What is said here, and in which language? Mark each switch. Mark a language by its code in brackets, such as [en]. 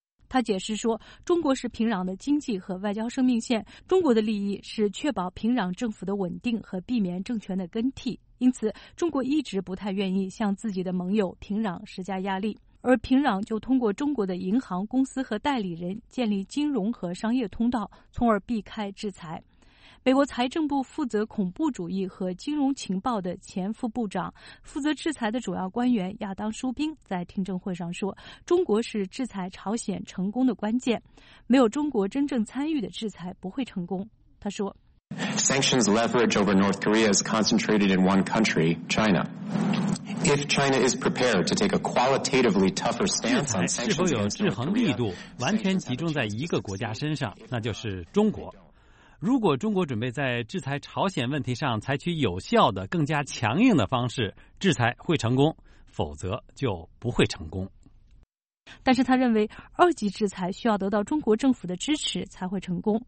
[zh] 他解释说，中国是平壤的经济和外交生命线，中国的利益是确保平壤政府的稳定和避免政权的更替，因此中国一直不太愿意向自己的盟友平壤施加压力，而平壤就通过中国的银行公司和代理人建立金融和商业通道，从而避开制裁。美国财政部负责恐怖主义和金融情报的前副部长、负责制裁的主要官员亚当·舒宾在听证会上说，中国是制裁朝鲜成功的关键，没有中国真正参与的制裁不会成功。他说 [en] Sanctions leverage over North Korea is concentrated in one country, China. If China is prepared to take a qualitatively tougher stance on sanctions, [zh] 是否有制衡力度完全集中在一个国家身上，那就是中国。如果中国准备在制裁朝鲜问题上采取有效的、更加强硬的方式，制裁会成功，否则就不会成功。但是他认为，二级制裁需要得到中国政府的支持才会成功。